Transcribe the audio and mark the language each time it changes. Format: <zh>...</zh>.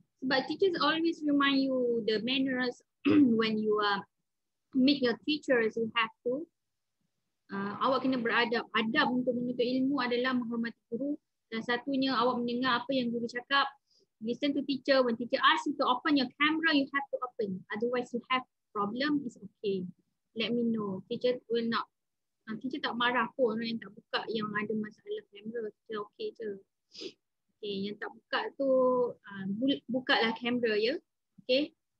<en>Sebab teachers always remind you the manners when you meet your teachers, you have to.</en> <ms>Awak kena beradab. Adab untuk menuntut ilmu adalah menghormati guru. Dan satunya, awak mendengar apa yang guru cakap.</ms> <en>Listen to teacher. When teacher ask you to open your camera, you have to open. Otherwise, you have problem. It's okay. Let me know. Teacher will not.</en> <ms>Teacher tak marah pun orang yang tak buka yang ada masalah kamera. Teacher okay je. Okay, yang tak buka tu, buka lah kamera ya. Okay.</ms>